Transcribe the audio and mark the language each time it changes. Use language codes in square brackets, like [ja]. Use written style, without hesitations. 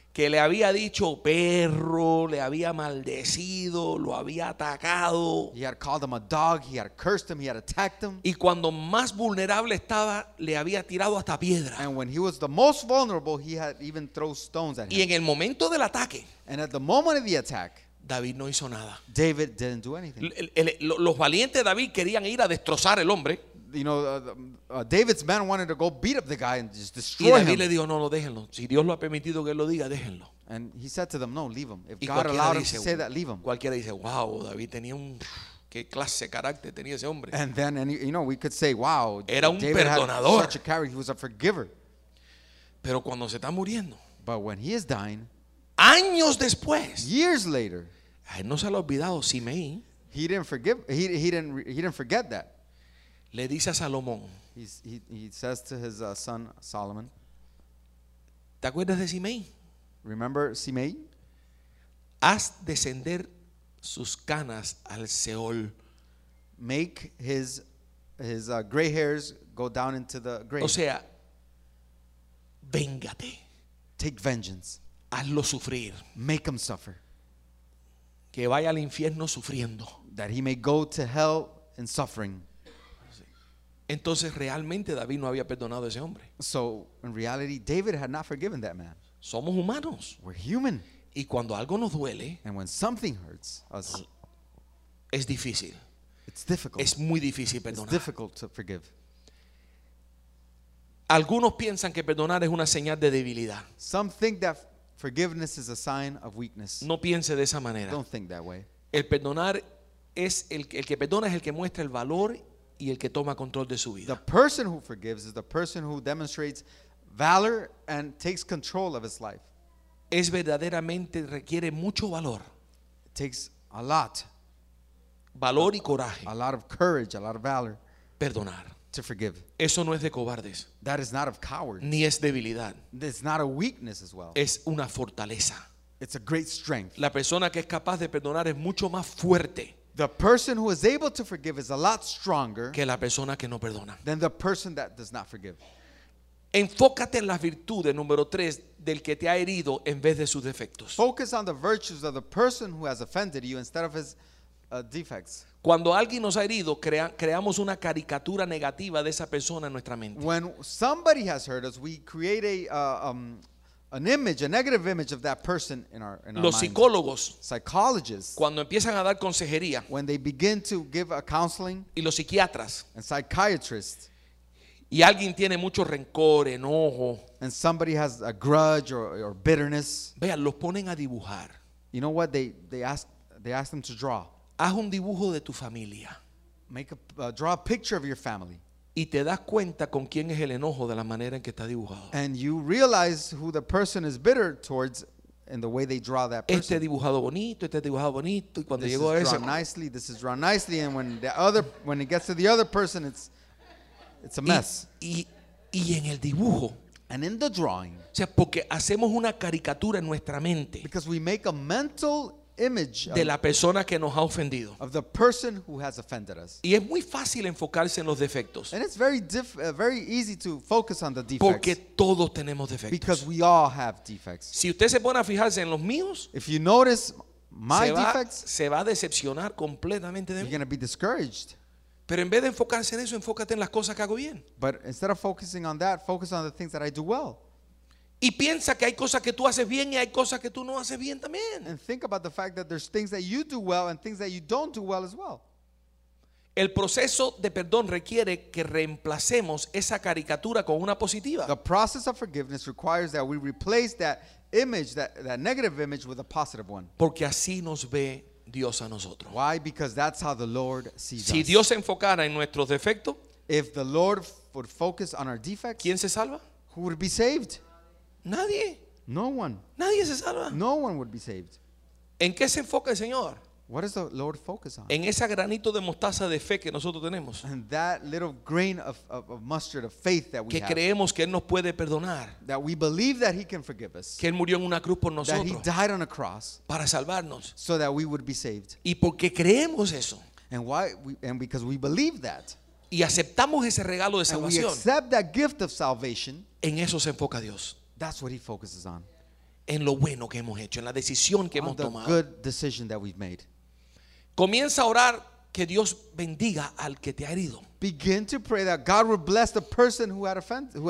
[es] Que le había dicho perro, le había maldecido, lo había atacado. [en] He had called him a dog, he had cursed him, he had attacked him. [es] Y cuando más vulnerable estaba, le había tirado hasta piedra. [en] And when he was the most vulnerable, he had even thrown stones at him. [es] Y en el momento del ataque, [en] and at the moment of the attack, [es] David no hizo nada. [en] David didn't do anything. [es] Los valientes de David querían ir a destrozar el hombre. [en] You know, David's men wanted to go beat up the guy and just destroy [es] him. Y David le dijo, no, lo déjenlo. Si Dios lo ha permitido que él lo diga, déjenlo. [en] And he said to them, no, leave him. If God allowed him to say that, leave him. [es] Cualquiera dice, wow, David tenía un... Qué clase de carácter tenía ese hombre. [en] And then, and you know, we could say, wow, [es] era un David perdonador. [en] Had such a character. He was a forgiver. [es] Pero cuando se está muriendo, [en] but when he is dying, [es] años después, [en] years later, [es] ay, no se le ha olvidado Simei. [en] He didn't forgive. He didn't forget that. [es] Le dice a Salomón. [en] He says to his son Solomon. [es] ¿Te acuerdas de Simei? [en] Remember Simei? [es] Haz descender sus canas al Seol. [en] Make his gray hairs go down into the grave. [es] O sea, véngate. [en] Take vengeance. [es] Hazlo sufrir. [en] Make him suffer. [es] Que vaya al infierno sufriendo. [en] That he may go to hell in suffering. [es] Entonces realmente David no había perdonado a ese hombre. [en] So in reality David had not forgiven that man. [es] Somos humanos. [en] We're human. [es] Y cuando algo nos duele, [en] and when something hurts us, [es] es difícil. [en] It's difficult. [es] Es muy difícil perdonar. [en] It's difficult to forgive. [es] Algunos piensan que perdonar es una señal de debilidad. [en] Some think that forgiveness is a sign of weakness. [es] No piense de esa manera. [en] Don't think that way. [es] El perdonar es el que perdona es el que muestra el valor y el que toma control de su vida. [en] The person who forgives is the person who demonstrates valor and takes control of his life. [es] Es verdaderamente requiere mucho valor. [en] It takes a lot. [es] Valor y coraje. [en] A lot of courage, a lot of valor. [es] Perdonar. [en] To forgive. [es] Eso no es de cobardes. [en] That is not of cowards. [es] Ni es debilidad. [en] It's not a weakness as well. [es] Es una fortaleza. [en] It's a great strength. [es] La persona que es capaz de perdonar es mucho más fuerte. [en] The person who is able to forgive is a lot stronger. [es] Que la persona que no perdona. [en] Than the person that does not forgive. [es] Enfócate en las virtudes número 3 del que te ha herido en vez de sus defectos. [en] Focus on the virtues of the person who has offended you instead of his defects. [es] Cuando alguien nos ha herido, creamos una caricatura negativa de esa persona en nuestra mente. [en] When somebody has hurt us, we create an image, a negative image of that person in our mind. [es] Los psicólogos, [en] psychologists, [es] cuando empiezan a dar consejería, [en] when they begin to give a counseling, [es] y los psiquiatras, [en] and psychiatrists, [es] y alguien tiene mucho rencor, enojo, [en] and somebody has a grudge or bitterness, [es] vean, los ponen a dibujar. [en] You know what? They ask them to draw. [es] Haz un dibujo de tu familia. [en] Draw a picture of your family. [es] Y te das cuenta con quién es el enojo de la manera en que está dibujado. [en] And you realize who the person is bitter towards in the way they draw that person. [es] Este dibujado bonito, este dibujado bonito. Y cuando [en] this [es] llegó [en] is a drawn [es] ese, [en] nicely. This is drawn nicely. And when it gets to the other person, it's a mess. [es] Y en el dibujo. [en] And in the drawing. [es] O sea, porque hacemos una caricatura en nuestra mente. [en] Because we make a mental image [es] de la persona que nos ha ofendido. [en] Of the person who has offended us. [es] Y es muy fácil enfocarse en los defectos. [en] And it's very easy to focus on the defects. [es] Porque todos tenemos defectos. [en] Because we all have defects. [es] Si usted se pone a fijarse en los míos, [en] if you notice my defects, [es] se va a decepcionar completamente de mí. [en] You're going to be discouraged. [es] Pero en vez de enfocarse en eso, enfócate en las cosas que hago bien. [en] But instead of focusing on that, focus on the things that I do well. [es] Y piensa que hay cosas que tú haces bien y hay cosas que tú no haces bien también. [en] And think about the fact that there's things that you do well and things that you don't do well as well. [es] El proceso de perdón requiere que reemplacemos esa caricatura con una positiva. [en] The process of forgiveness requires that we replace that image, that negative image with a positive one. [es] Porque así nos ve Dios a nosotros. [en] Why? Because that's how the Lord sees [es] si [en] us. [es] Si Dios se enfocara en nuestros defectos, [en] if the Lord would focus on our defects, [es] ¿quién se salva? [en] Who would be saved? [es] Nadie. [en] No one. [es] Nadie se salva. [en] No one would be saved. [es] ¿En qué se enfoca el Señor? [en] What does the Lord focus on? [es] En ese granito de mostaza de fe que nosotros tenemos. [en] And that little grain of mustard of faith that we [es] que [en] have. [es] Que creemos que él nos puede perdonar. [en] That we believe that he can forgive us. [es] Que él murió en una cruz por nosotros. [en] That he died on a cross. [es] Para salvarnos. [en] So that we would be saved. [es] Y porque creemos eso. [en] And why? And because we believe that. [es] Y aceptamos ese regalo de salvación. [en] And we accept that gift of salvation. [es] En eso se enfoca Dios. [en] That's what he focuses on. [es] En lo bueno que hemos hecho, en la decisión que hemos tomado. [en] On the good decision that we've made. [es] Comienza a orar que Dios bendiga al que te ha herido. [en] Begin to pray that God will bless the person who has offended you.